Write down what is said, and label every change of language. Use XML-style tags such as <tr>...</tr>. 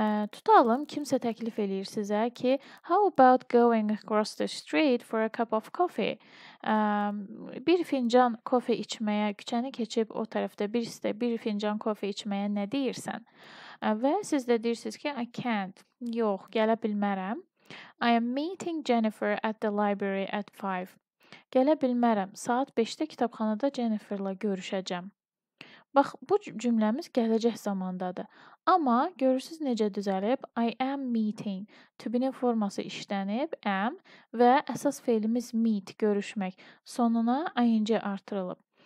<az>Tutalım, kimsə təklif eləyir sizə ki,</az> <en>how about going across the street for a cup of coffee?</en> <az>Bir fincan kofi içməyə, küçəni keçib o tərəfdə birisi də bir fincan kofi içməyə nə deyirsən? Və siz də deyirsiniz ki,</az> <en>I can't,</en> <az>yox, gələ bilmərəm.</az> <en>I am meeting Jennifer at the library at 5.</en> <az>Gələ bilmərəm, saat 5-də kitabxanada Jenniferla görüşəcəm. Bax, bu cümləmiz gələcək zamandadır. Amma görürsünüz necə düzəlib?</az> <en>I am meeting.</en> <az>Tübinin forması işlənib, am və əsas feilimiz meet, görüşmək, sonuna ing artırılıb.</az>